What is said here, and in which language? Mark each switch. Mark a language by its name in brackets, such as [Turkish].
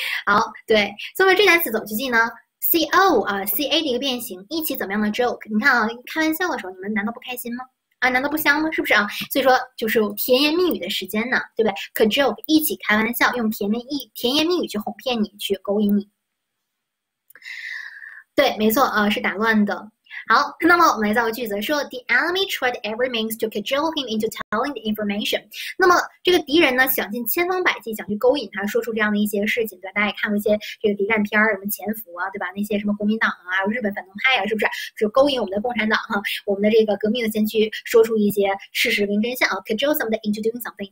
[Chinese] 好，对，那么这单词怎么去记呢？co 啊，ca 的一个变形，一起怎么样的 joke？你看啊，开玩笑的时候，你们难道不开心吗？啊，难道不香吗？是不是啊？所以说，就是甜言蜜语的时间呢，对不对？cajole 一起开玩笑，用甜言蜜语去哄骗你，去勾引你。对，没错啊，是打乱的。好，那么我们来造个句子，说 [English] The enemy tried every means to cajole him into telling the information。 [Chinese] 那么这个敌人呢，想尽千方百计想去勾引他，说出这样的一些事情。对，大家也看过一些这个谍战片儿，什么《潜伏》啊，对吧？那些什么国民党啊，日本反动派啊，是不是？就勾引我们的共产党哈，我们的这个革命的先驱，说出一些事实跟真相啊， [English] cajole somebody into doing something。